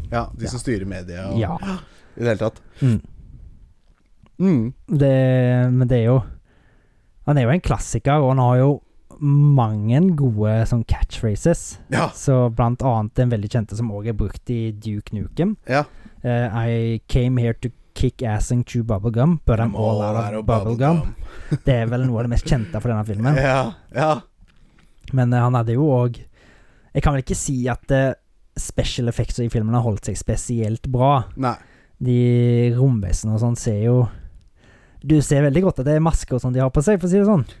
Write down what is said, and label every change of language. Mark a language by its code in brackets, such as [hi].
[no] ja, de som styrer media og, ja. I det hele tatt. Men det er jo, han er jo en klassiker. Og han har jo mange gode sånn catchphrases. Ja. Så blant annet en veldig kjente som også er brukt i Duke Nukem. Ja. [en] I came here to kick ass and chew bubblegum, but I'm all out of bubblegum. [no] Det er vel noe av det mest kjente for denne filmen. Ja, ja. Men han hadde jo også, jeg kan vel ikke si at [en] special effects [no] i filmen har holdt seg spesielt bra. Nei. De romvesen og sånn ser jo, du ser veldig godt at det er masker som de har på seg, for å si det sånn.